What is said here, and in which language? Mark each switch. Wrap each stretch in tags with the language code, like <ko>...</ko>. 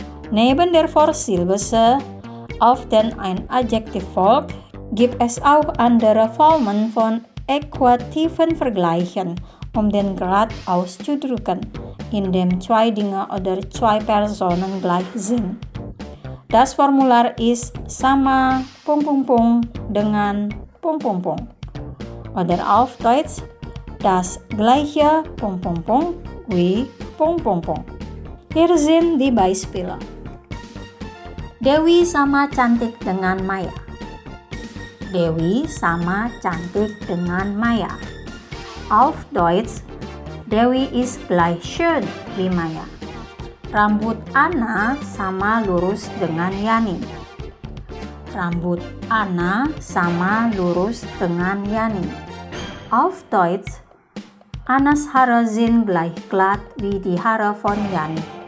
<de>Neben der Vorsilbe se, auf den ein Adjektiv folgt, gibt es auch andere Formen von äquativen Vergleichen, um den Grad auszudrücken, in dem zwei Dinge oder zwei Personen gleich sind. Das Formular ist sama ... dengan ... oder auf Deutsch das gleiche ... wie ... Hier sind die Beispiele.</de> <id>Dewi sama cantik dengan Maya. Dewi sama cantik dengan Maya.</id> <de>Auf Deutsch, Dewi is gleich schön wie Maya.</de> <id>Rambut Anna sama lurus dengan Yani. Rambut Anna sama lurus dengan Yani.</id> <de>Auf Deutsch, Annas Haare sind gleich glatt wie die Haare von Yani.</de>